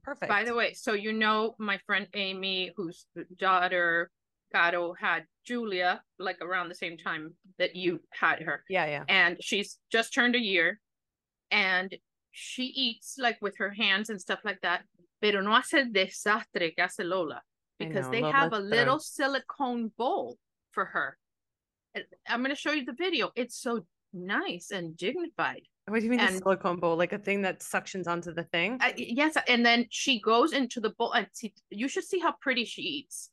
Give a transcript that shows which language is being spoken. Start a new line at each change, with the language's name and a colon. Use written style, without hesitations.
English: Perfect. By the way, so you know, my friend Amy, whose daughter Gato had Julia like around the same time that you had her. Yeah, yeah. And she's just turned a year and she eats like with her hands and stuff like that.
Spanish: Pero no hace desastre que hace Lola.
English: Because they have a little silicone bowl for her. I'm going to show you the video. It's so nice and dignified. What do you mean and, the silicone bowl? Like a thing that suctions onto the thing? Yes. And then she goes into the bowl. And you should see how pretty she eats.